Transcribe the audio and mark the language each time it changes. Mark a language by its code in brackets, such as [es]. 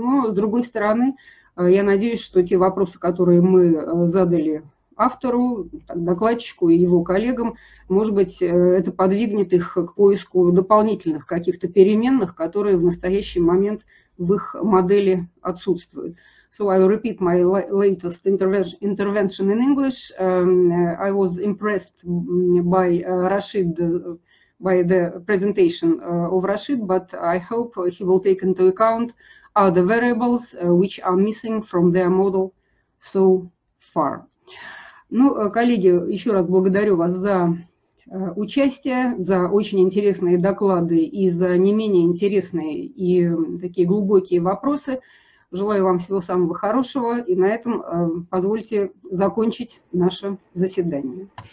[ru] Но, с другой стороны, я надеюсь, что те вопросы, которые мы задали автору, докладчику и его коллегам, может быть, это подвигнет их к поиску дополнительных каких-то переменных, которые в настоящий момент в их модели отсутствуют. [en] So I repeat my latest intervention in English. I was impressed by Rashid, by the presentation of Rashid, but I hope he will take into account other variables which are missing from their model so far. [ru] Ну, коллеги, еще раз благодарю вас за участие, за очень интересные доклады и за не менее интересные и такие глубокие вопросы. Желаю вам всего самого хорошего и на этом позвольте закончить наше заседание.